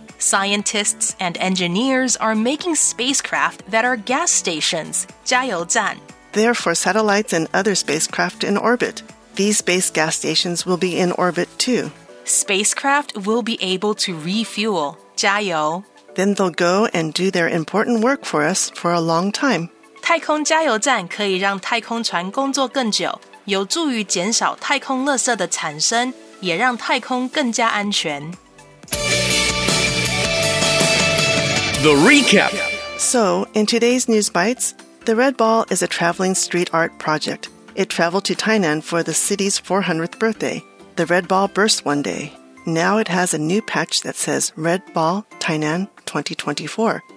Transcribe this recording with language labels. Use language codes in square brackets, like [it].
[en] Scientists and engineers are making spacecraft that are gas stations, 加油站. They're for satellites and other spacecraft in orbit. These space gas stations will be in orbit too. Spacecraft will be able to refuel, 加油. Then they'll go and do their important work for us for a long time. [zh] 太空加油站可以让太空船工作更久, 有助于减少太空垃圾的产生, 也让太空更加安全. [en] The Recap. So, in today's News Bites, the Red Ball is a traveling street art project. It traveled to Tainan for the city's 400th birthday. The Red Ball burst one day. Now it has a new patch that says Red Ball Tainan 2024.